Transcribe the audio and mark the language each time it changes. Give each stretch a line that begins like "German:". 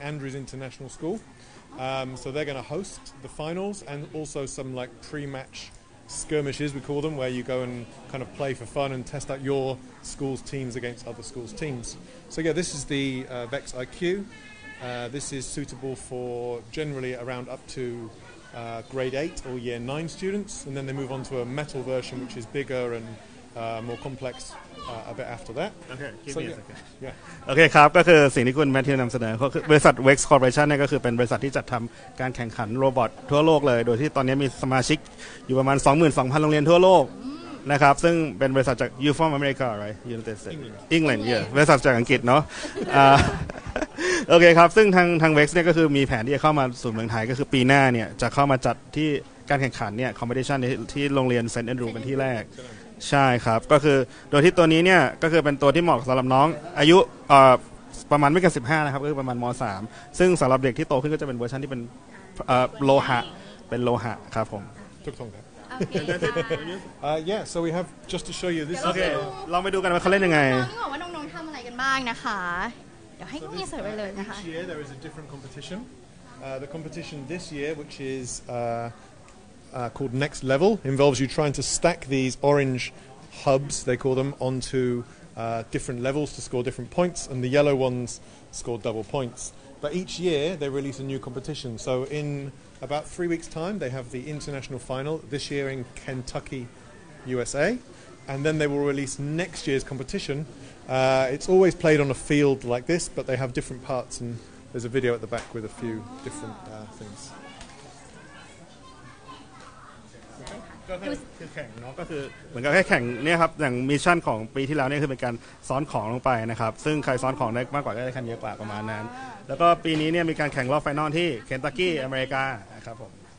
English: Andrews International School. So they're going to host the finals and also some like pre-match skirmishes, we call them, where you go and kind of play for fun and test out your school's teams against other school's teams. So yeah, this is the Vex IQ. This is suitable for generally around up to grade 8 or year 9 students. And then they move on to a metal version, which is bigger andmore complex a bit after that
Thai: โอเคครับก็คือสิ่งที่คุณแมทธิวนำเสนอก็คือบริษัท Vex Corporation เนี่ยก็คือเป็นบริษัทที่จัดทำการแข่งขันโรบอททั่วโลกเลยโดยที่ตอนนี้มีสมาชิกอยู่ประมาณ 22,000 โรงเรียนทั่วโลกนะครับซึ่งเป็นบริษัทจาก
English: You from America right United States England yeah
Thai: บริษัทจากอังกฤษเนาะโอเคครับซึ่งทาง Vex เนี่ยก็คือมีแผนที่จะเข้ามาสู่เมืองไทยก็คือปีหน้าเนี่ยจะเข้ามาจัดที่การแข่งขันเนี่ย competition ที่โรงเรียน St. Andrew เป็นที่แรกใช่ครับก็คือโดยที่ตัวนี้เนี่ยก็คือเป็นตัวที่เหมาะสำหรับน้องอายุประมาณไม่เกิน15นะครับก็คือประมาณม.3ซึ่งสำหรับเด็กที่โตขึ้นก็จะเป็นเวอร์ชันที่เป็นโลหะครับผม ถูกต้องครับ โอเค
English: yeah so we have just to show you this
Thai: okay ลองไปดูกันว่าเขาเล่นยังไง นี่บอกว่าน้องๆทำอะไรกันบ้างนะคะเดี๋ยวให้พี่เสิร์ฟไปเลยนะคะ
English: each year there is a different competition the competition this year which iscalled Next Level involves you trying to stack these orange hubs they call them onto different levels to score different points and the yellow ones score double points but each year they release a new competition so in about 3 weeks time they have the international final this year in Kentucky USA and then they will release next year's competition it's always played on a field like this but they have different parts and there's a video at the back with a few different things
Thai: คือแข่งเนาะก็คือเหมือนกับแค่แข่งเนี่ยครับอย่างมิชชั่นของปีที่แล้วเนี่ยคือเป็นการซ้อนของลงไปนะครับซึ่งใครซ้อนของได้มากกว่าก็ได้คะแนนเยอะกว่าประมาณนั้นแล้วก็ปีนี้เนี่ยมีการแข่งรอบไฟนอลที่เคนตักกี้อเมริกาครับผม